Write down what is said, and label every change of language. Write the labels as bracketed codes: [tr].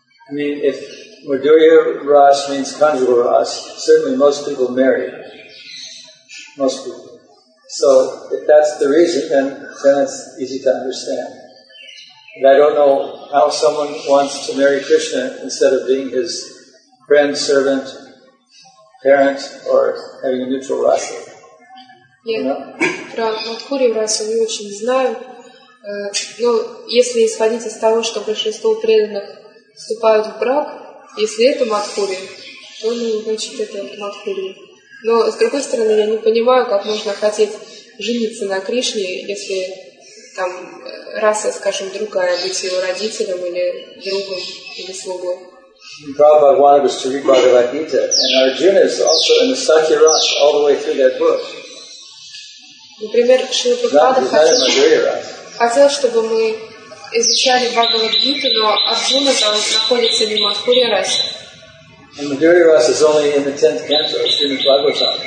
[en] I mean, if Madhurya Ras means conjugal Ras, certainly most people marry. Most people. So, if that's the reason, then it's easy to understand. But I don't know how someone wants to marry Krishna instead of being his friend, servant, parent, or having a neutral rasa. [ru] Про Мадхурью Расу не очень знаю. Но если исходить из того, что большинство преданных вступают в брак, если это Мадхурья, то значит это Мадхурья. Но с другой стороны, я не понимаю, как можно хотеть жениться на Кришне, если там раса, скажем, другая, быть его родителем или другом, или слугой. [en] Prabhupada wanted us to read Bhagavad Gita, and Arjuna is also in the Sakya Ras all the way through that book. [ru] Например, Шрила Прабхупада хотел, чтобы мы изучали Бхагавад Гиту, но Арджуна находится не в Мадхурья Расе. [en] And Madhurya Ras is only in the 10th canto of Srimad Bhagavatam.